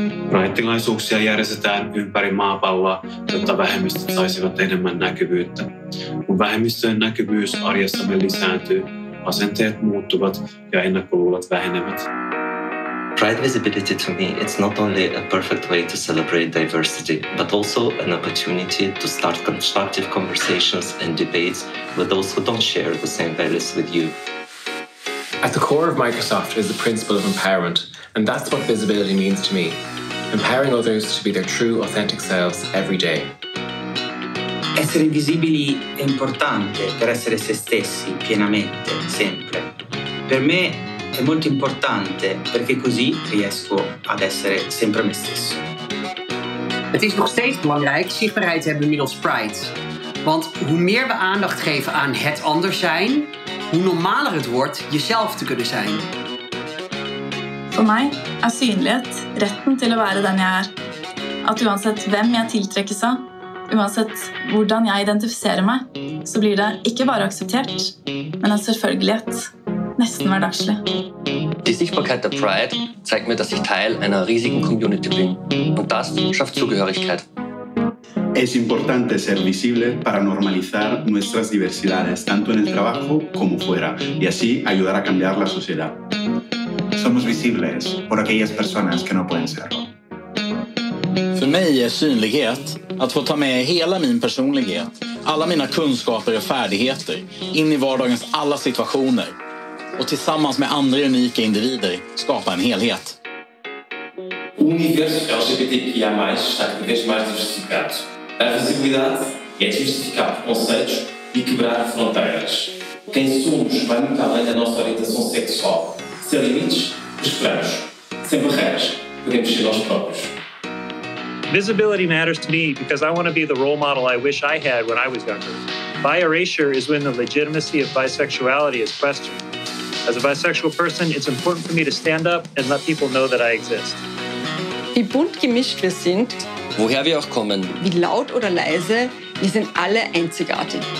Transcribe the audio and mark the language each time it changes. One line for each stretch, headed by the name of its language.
Finnish: Pride-tilaisuuksia järjestetään ympäri maapalloa, jotta vähemmistöt saisivat enemmän näkyvyyttä. Kun vähemmistöjen näkyvyys arjessamme lisääntyy, asenteet muuttuvat ja ennakkoluulot vähenevät.
English: Pride visibility to me, it's not only a perfect way to celebrate diversity, but also an opportunity to start constructive conversations and debates with those who don't share the same values with you. At the core of Microsoft is the principle of empowerment, and that's what visibility means to me. Empowering others to be their true, authentic selves every day.
Italian: Essere visibili è importante per essere se stessi pienamente, sempre. Per me è molto importante perché così riesco ad essere sempre me stesso.
Dutch: Het is nog steeds belangrijk zichtbaarheid te hebben middels Pride. Want hoe meer we aandacht geven aan het anders zijn, hoe normaler het wordt jezelf te kunnen zijn.
Norwegian: For meg er synlighet retten til å være den jeg er. At uansett hvem jeg tiltrekkes av, uansett hvordan jeg identifiserer meg, så blir det ikke bare akseptert, men en selvfølgelighet. Nesten hverdagslig.
German: Die Sichtbarkeit der Pride zeigt mir, dass ich Teil einer riesigen Community bin. Und das schafft Zugehörigkeit.
Spanish: Es importante ser visible para normalizar nuestras diversidades, tanto en el trabajo como fuera, y así ayudar a cambiar la sociedad. Somos visibles por aquellas personas que no pueden serlo.
Swedish: För mig är synlighet att få ta med hela min personlighet, alla mina kunskaper och färdigheter in i vardagens alla situationer och tillsammans med andra unika individer skapa en helhet.
Portuguese: Univers LGBTQIA+ är vez mais diversificado. A visibilidade é diversificar conceitos e quebrar fronteiras. Quem somos vai muito além da nossa orientação sexual. Sem limites, esperamos. Sem barreiras, podemos ser nós próprios.
English: Visibility matters to me because I want to be the role model I wish I had when I was younger. Bi erasure is when the legitimacy of bisexuality is questioned. As a bisexual person, it's important for me to stand up and let people know that I exist.
German: Wie bunt gemischt wir sind, woher wir auch kommen, wie laut oder leise, wir sind alle einzigartig.